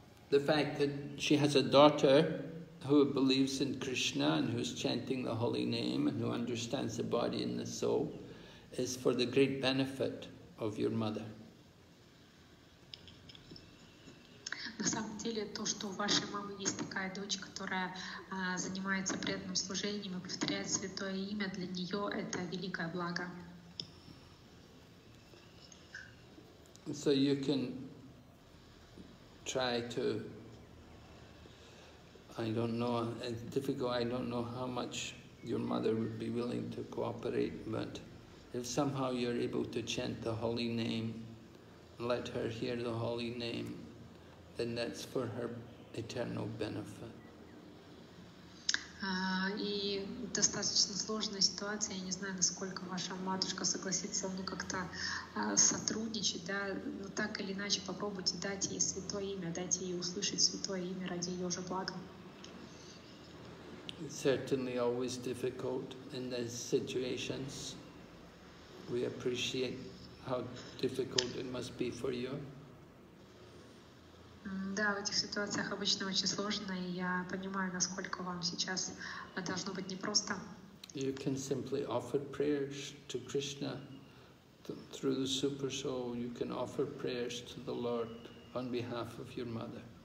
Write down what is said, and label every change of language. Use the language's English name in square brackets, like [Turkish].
[English] The fact that she has a daughter who believes in Krishna and who's chanting the holy name and who understands the body and the soul is for the great benefit of your mother. [Russian] На самом деле то, что у вашей мамы есть такая дочь, которая занимается преданным служением и повторяет святое имя, для нее это великое благо. [English] So you can try to I don't know, it's difficult, I don't know how much your mother would be willing to cooperate, but if somehow you're able to chant the holy name, let her hear the holy name, then that's for her eternal benefit. [Russian] И достаточно сложная ситуация, я не знаю, насколько ваша матушка согласится со мной как-то сотрудничать, да, но так или иначе попробуйте дать ей святое имя, дайте ей услышать святое имя ради ее же блага. [English] Certainly always difficult in these situations. We appreciate how difficult it must be for you. [Russian] Да, в этих ситуациях обычно очень сложно, и я понимаю, насколько вам сейчас должно быть непросто. [English] You can simply offer prayers to Krishna through the super soul, you can offer prayers to the Lord on behalf of your mother.